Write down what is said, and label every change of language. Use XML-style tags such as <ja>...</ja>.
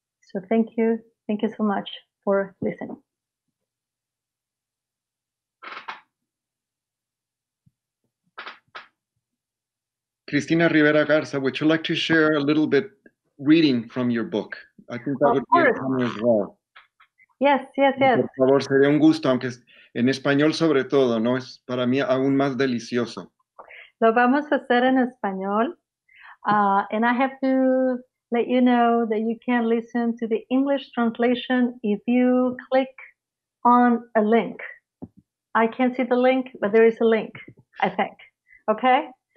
<en>So thank you. Thank you so much for listening. Cristina Rivera Garza, would you like to share a little bit reading from your book? I think that would be a honor as well. Yes, yes, yes.</en> <es>Por favor, sería un gusto, aunque en español sobre todo, ¿no? Es para mí aún más delicioso. Lo vamos a hacer en español.</es> <en>And I have to let you know that you can listen to the English translation if you click on a link. I can't see the link, but there is a link, I think. Okay?</en>